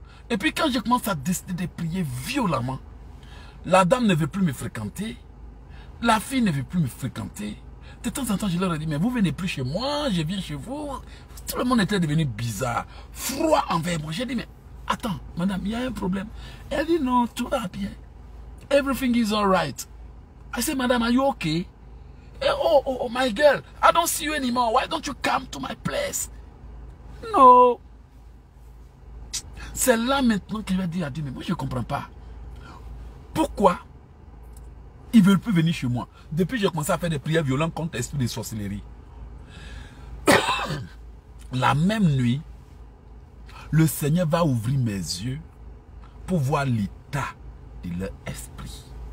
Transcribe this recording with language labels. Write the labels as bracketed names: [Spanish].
[French] Et puis, quand j'ai commencé à décider de prier violemment, la dame ne veut plus me fréquenter. La fille ne veut plus me fréquenter. De temps en temps, je leur ai dit, mais vous venez plus chez moi, je viens chez vous. Tout le monde était devenu bizarre, froid envers moi. J'ai dit, mais attends, madame, il y a un problème. Elle dit, non, tout va bien. [English] Everything is all right. I said, madame, are you okay? Et, oh, my girl, I don't see you anymore. Why don't you come to my place? No. [French] C'est là maintenant qu'il va dire à Dieu, mais moi, je ne comprends pas. Pourquoi ils ne veulent plus venir chez moi? Depuis, j'ai commencé à faire des prières violentes contre l'esprit de sorcellerie. La même nuit, le Seigneur va ouvrir mes yeux pour voir l'état de leur esprit.